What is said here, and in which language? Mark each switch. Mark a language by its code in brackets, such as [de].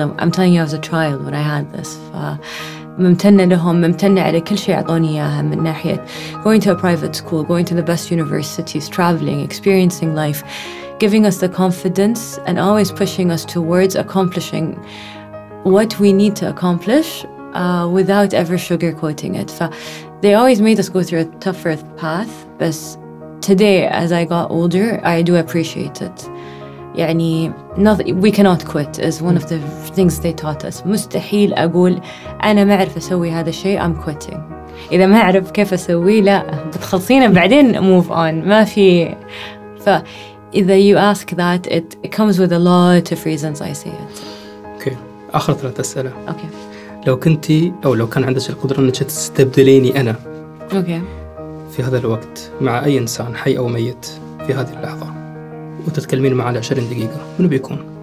[en] I'm telling you, I was a child when I had this. [ar] ممتنة لهم, ممتنة على كل شيء عطوني إياها من ناحية [en] going to a private school, going to the best universities, traveling, experiencing life, giving us the confidence and always pushing us towards accomplishing what we need to accomplish without ever sugarcoating it. They always made us go through a tougher path, but today, as I got older, I do appreciate it. يعني we cannot quit is one of the things they taught us. [ar] مستحيل أقول أنا ما أعرف أسوي هذا الشيء, [en] I'm quitting. [ar] إذا ما أعرف كيف أسوي, لا, بتخلصينا بعدين move on. ما في. [en] فإذا you ask that, it comes with a lot of reasons I say it. [ar] Okay. آخر 3 أسئلة. [en] Okay. [ar] لو كنتي أو لو كان عندك القدرة أنك تستبدليني أنا أوكي. في هذا الوقت مع أي إنسان حي أو ميت في هذه اللحظة وتتكلمين معه 20 دقيقة, من بيكون؟